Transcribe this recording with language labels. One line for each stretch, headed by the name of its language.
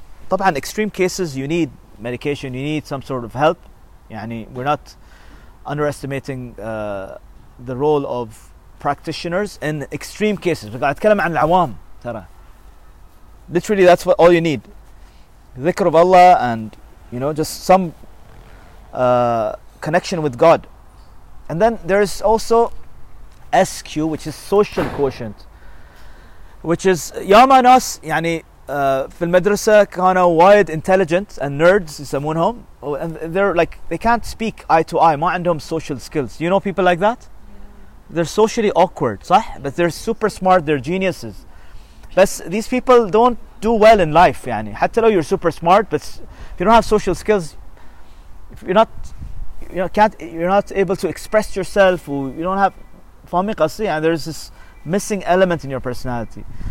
English: طبعا extreme cases you need medication you need some sort of help we're not underestimating the role of practitioners in extreme cases
Arabic: بقى أتكلم عن العوام ترى
English: literally that's what all you need
Arabic: ذكر الله
English: and just some connection with God. And then there is also SQ, which is social quotient. Which is,
Arabic: ياما ناس يعني في المدرسة كانوا وايد
English: intelligent and nerds
Arabic: يسمونهم.
English: And they're like, they can't speak eye to eye,
Arabic: ما عندهم
English: social skills. You know people like that? They're socially awkward, صح? But they're super smart, they're geniuses. But these people don't do well in life,
Arabic: حتى لو
English: you're super smart, but you don't have social skills, if you're not you're not able to express yourself, or you don't have fami qasdi, and there's this missing element in your personality.